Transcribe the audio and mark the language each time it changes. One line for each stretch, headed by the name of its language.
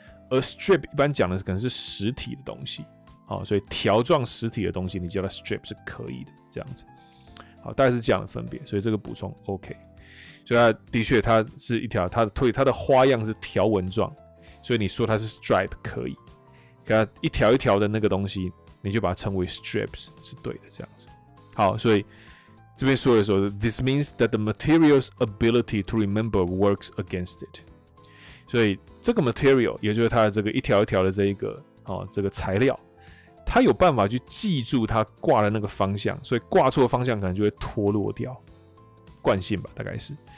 Chinese: 而 strip 一般讲的可能是实体的东西，好，所以条状实体的东西你叫它 strip 是可以的，这样子。好，大概是这样的分别，所以这个补充 OK。所以它的确它是一条，它的花样是条纹状，所以你说它是 stripe 可以，给它一条一条的那个东西，你就把它称为 strips 是对的，这样子。好，所以这边说的时候
English: ，this means that the material's ability to remember works against it。
Chinese: 所以这个 material， 也就是它的这个一条一条的这一个哦，这个材料，它有办法去记住它挂的那个方向，所以挂错方向可能就会脱落掉，惯性吧，大概是。